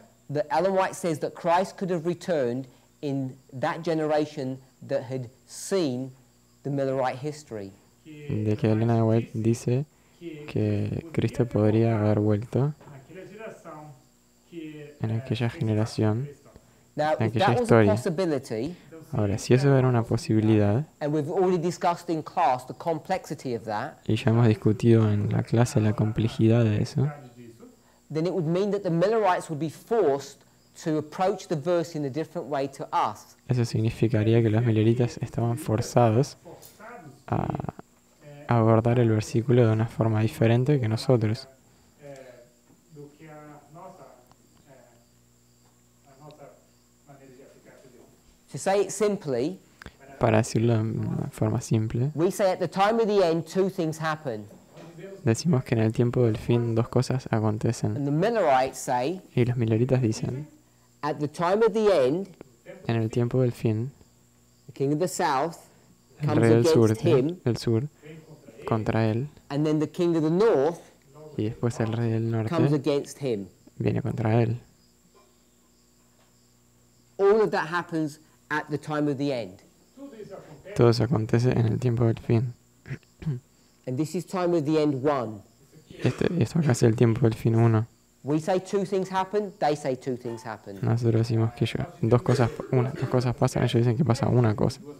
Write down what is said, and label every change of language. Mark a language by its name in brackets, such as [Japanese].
[English] that Ellen White says that Christ could have returned in that generation that had seen the Millerite history. [Spanish] De que Ellen White dice que Cristo podría haber vuelto en aquella generación, en aquella historia. Ahora, si eso era una posibilidad, [English] and we've already discussed in class the complexity of that, [Spanish] y ya hemos discutido en la clase la complejidad de eso, [English] then it would mean that the Millerites would be forced to approach the verse in a different way to us. [Spanish] Eso significaría que los Milleritas estaban forzados a abordar el versículo de una forma diferente que nosotros. [English] To say it simply, [Spanish] para decirlo de una forma simple, [English] we say at the time of the end two things happen. [Spanish] Decimos que en el tiempo del fin dos cosas acontecen. [English] And the Millerites say, [Spanish] y los Milleritas dicen, [English] at the time of the end, [Spanish] en el tiempo del fin, [English] the king of the south [Spanish] el rey del sur, el sur contra él, [English] and then the king of the north, [Spanish] y después el rey del norte [English] comes against him. [Spanish] Viene contra él. [English] All of that happens at the time of the end. [Spanish] Todo eso acontece en el tiempo del fin. [English] And this is time of the end one. [Spanish] Esto acá es el tiempo del fin uno. [English] We say two things happen, they say two things happen. [Spanish] Nosotros decimos que dos cosas pasan, ellos dicen que pasa una cosa.